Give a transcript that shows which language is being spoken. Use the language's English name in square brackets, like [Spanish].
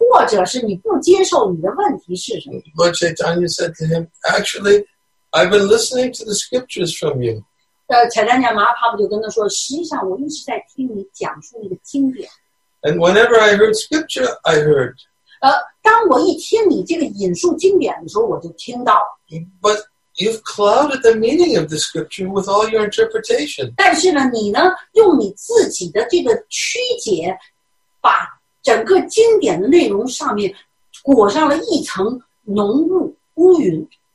[Chinese] 所以你是不是至少你说句话呀，你说你接受了我的观点，或者是你不接受你的问题是什么？ [English] Lord Chaitanya said to him, actually, I've been listening to the scriptures from you. [Chinese] 彩蛋娘麻帕布就跟他说，实际上我一直在听你讲述那个经典。And [English] whenever I heard scripture, I heard. [Chinese] 当我一听你这个引述经典的时候，我就听到。But [English] you've clouded the meaning of the scripture with all your interpretation. [Chinese] 但是呢，你呢，用你自己的这个曲解，把整个经典的内容上面裹上了一层浓雾乌云。